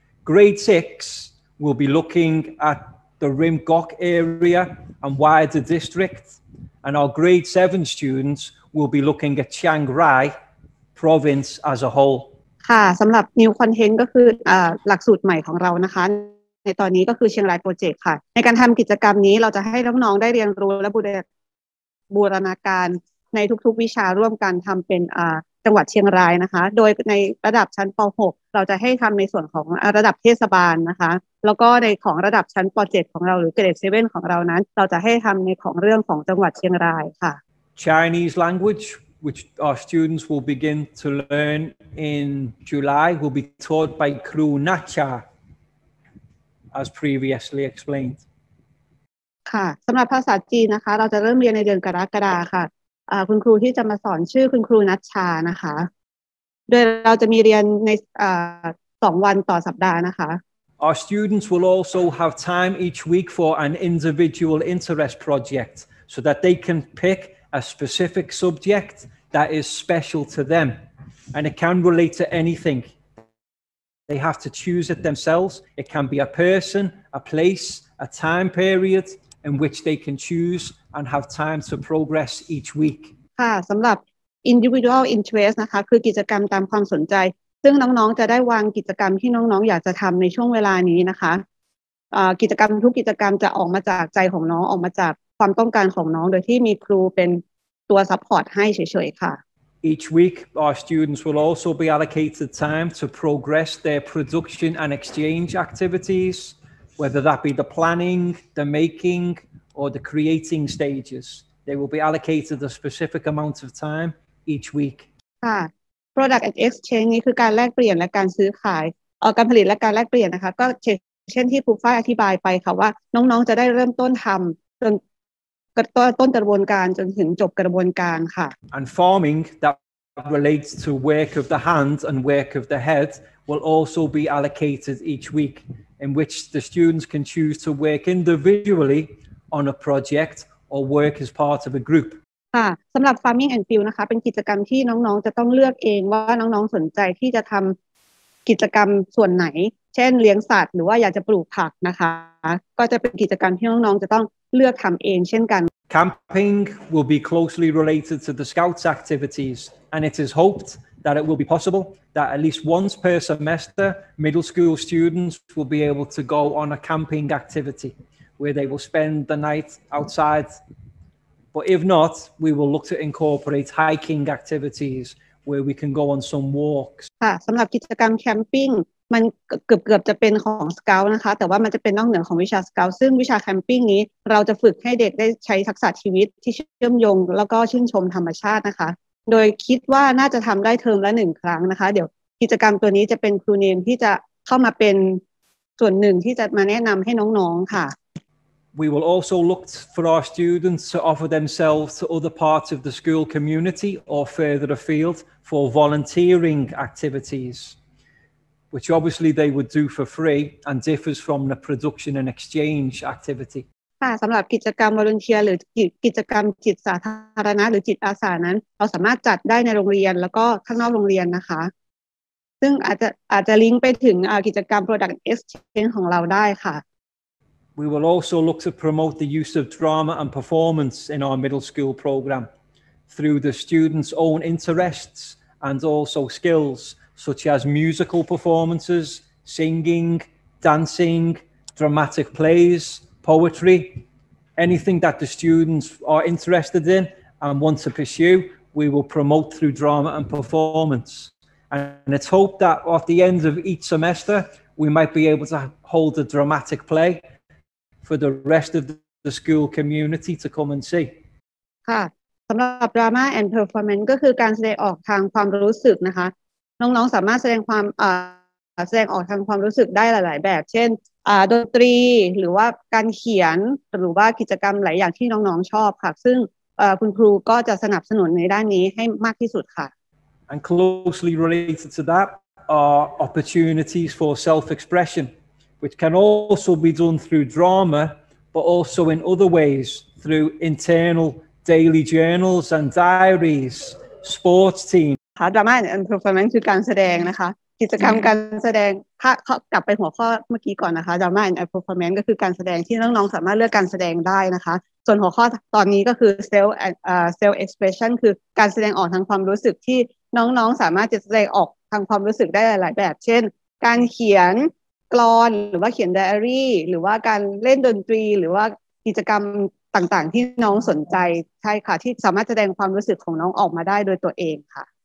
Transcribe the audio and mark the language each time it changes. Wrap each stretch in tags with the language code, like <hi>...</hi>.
<en>Grade 6 will be looking at the Rim Gok area and wider district, and our Grade 7 students will be looking at Chiang Rai province as a whole.</en> <th>ค่ะ สำหรับ</th> <en>new content</en> <th>ก็คือหลักสูตรใหม่ของเรานะคะในตอนนี้ก็คือ Chiang Rai project ค่ะในการทำกิจกรรมนี้เราจะให้น้องๆได้เรียนรู้และบูรณาการในทุกๆวิชาร่วมกันทำเป็นจังหวัดเชียงรายนะคะโดยในระดับชั้นป.6เราจะให้ทำในส่วนของระดับเทศบาลนะคะแล้วก็ในของระดับชั้นป.7ของเราหรือเกรด7ของเรานั้นเราจะให้ทำในของเรื่องของจังหวัดเชียงรายค่ะ</th> <en>Chinese language which our students will begin to learn in July will be taught by Crew Nacha as previously explained</en> <th>ค่ะสำหรับภาษาจีนนะคะเราจะเริ่มเรียนในเดือนกรกฎาคมค่ะคุณครูที่จะมาสอนชื่อคุณครูนัชชานะคะโดยเราจะมีเรียนใน2วันต่อสัปดาห์นะคะ</th> <en>Our students will also have time each week for an individual interest project so that they can pick a specific subject that is special to them and it can relate to anything they have to choose it themselves it can be a person a place a time periodin which they can choose and have time to progress each week.</en> <th>ค่ะ สำหรับ individual interest นะคะคือกิจกรรมตามความสนใจซึ่งน้องๆจะได้วางกิจกรรมที่น้องๆอยากจะทำในช่วงเวลานี้นะคะกิจกรรมทุกกิจกรรมจะออกมาจากใจของน้องออกมาจากความต้องการของน้องโดยที่มีครูเป็นตัวซัพพอร์ตให้เฉยๆค่ะ</th> <en>Each week our students will also be allocated time to progress their production and exchange activitiesWhether that be the planning, the making, or the creating stages, they will be allocated a specific amount of time each week.</en> <th>ค่ะ product and exchange นี่คือการแลกเปลี่ยนและการซื้อขายการผลิตและการแลกเปลี่ยนนะคะก็เช่นที่ครูฝ้ายอธิบายไปค่ะว่าน้องๆจะได้เริ่มต้นทำจนต้นกระบวนการจนถึงจบกระบวนการค่ะ</th> <en>And farming that relates to work of the hands and work of the head will also be allocated each week. In which the students can choose to work individually on a project or work as part of a group.</en> <th>ค่ะ สำหรับ farming and field นะคะ เป็นกิจกรรมที่น้องๆจะต้องเลือกเองว่าน้องๆสนใจที่จะทำกิจกรรมส่วนไหนเช่นเลี้ยงสัตว์หรือว่าอยากจะปลูกผักนะคะก็จะเป็นกิจกรรมที่น้องๆจะต้องเลือกทำเองเช่นกัน</th> <en>Camping will be closely related to the scouts' activities, and it is hoped. That it will be possible that at least once per semester, middle school students will be able to go on a camping activity where they will spend the night outside. But if not, we will look to incorporate hiking activities where we can go on some walks.</en> <th>ค่ะ สำหรับกิจกรรมแคมปิ้งมันเกือบจะเป็นของสเกาต์นะคะแต่ว่ามันจะเป็นนอกเหนือของวิชาสเกาต์ซึ่งวิชาแคมปิ้งนี้เราจะฝึกให้เด็กได้ใช้ทักษะชีวิตที่เชื่อมโยงแล้วก็ชื่นชมธรรมชาตินะคะโดยคิดว่าน่าจะทำได้เทอมละ1ครั้งนะคะเดี๋ยวกิจกรรมตัวนี้จะเป็นครูเนมที่จะเข้ามาเป็นส่วนหนึ่งที่จะมาแนะนำให้น้องๆค่ะ</th> <en>We will also look for our students to offer themselves to other parts of the school community or further afield for volunteering activities which obviously they would do for free and differs from the production and exchange activity</en> <th>ค่ะสำหรับกิจกรรมวอลันเทียร์หรือกิจกรรมจิตสาธารณะหรือจิตอาสานั้นเราสามารถจัดได้ในโรงเรียนแล้วก็ข้างนอกโรงเรียนนะคะซึ่งอาจจะลิงก์ไปถึงกิจกรรม product exchange ของเราได้ค่ะ</th> <en>We will also look to promote the use of drama and performance in our middle school program through the students' own interests and also skills such as musical performances, singing, dancing, dramatic plays. poetry, anything that the students are interested in and want to pursue, we will promote through drama and performance. And it's hoped that at the end of each semester, we might be able to hold a dramatic play for the rest of the school community to come and see.</en> <th>ค่ะสำหรับ drama and performance ก็คือการแสดงออกทางความรู้สึกนะคะน้องๆสามารถแสดงความแสดงออกทางความรู้สึกได้หลายๆแบบเช่นดนตรีหรือว่าการเขียนหรือว่ากิจกรรมหลายอย่างที่น้องๆชอบค่ะซึ่งคุณครูก็จะสนับสนุนในด้านนี้ให้มากที่สุดค่ะ</th> <en>And closely related to that are opportunities for self-expression, which can also be done through drama, but also in other ways through internal daily journals and diaries, sports teams.</en> <th>ค่ะ drama and performance คือการแสดงนะคะกิจกรรมการแสดงถ้ากลับไปหัวข้อเมื่อกี้ก่อนนะคะ drama and performance ก็คือการแสดงที่น้องๆสามารถเลือกการแสดงได้นะคะส่วนหัวข้อตอนนี้ก็คือ self expression คือการแสดงออกทางความรู้สึกที่น้องๆสามารถจะแสดงออกทางความรู้สึกได้หลายแบบเช่นการเขียนกลอนหรือว่าเขียนไดอารี่หรือว่าการเล่นดนตรีหรือว่ากิจกรรมต่างๆที่น้องสนใจใช่ค่ะที่สามารถแสดงความรู้สึกของน้องออกมาได้โดยตัวเองค่ะ</th>